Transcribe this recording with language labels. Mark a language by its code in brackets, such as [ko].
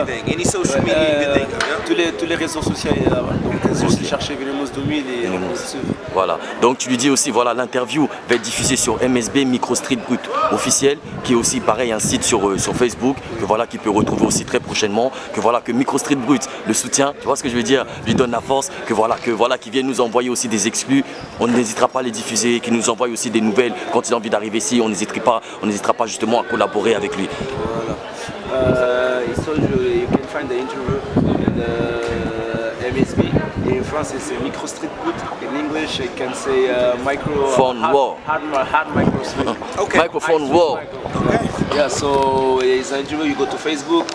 [en] Everything, any social media you can think of. [fr] Tous les réseaux sociaux, il y a là-bas. Donc, je vais chercher Venomous 2000 et on suit. Voilà, donc tu lui dis aussi, voilà, l'interview va être diffusée sur MSB Micro Street Brut Officiel, qui est aussi pareil, un site sur Facebook, que voilà, qu'il peut retrouver aussi très prochainement. Que voilà, que Micro Street Brut le soutient, tu vois ce que je veux dire, lui donne la force, que voilà, qu'il vienne nous envoyer aussi des exclus, on n'hésitera pas à les diffuser, qu'il nous envoie aussi des nouvelles quand il a envie d'arriver ici, on n'hésitera pas justement à collaborer avec lui. Voilà. [en] You can find the interview in the MSB. In France, it's a micro street boot. In English, it can say microphone wall. Hard micro street. Okay. Microphone wall. Okay. Yeah, so it's an interview. You go to Facebook,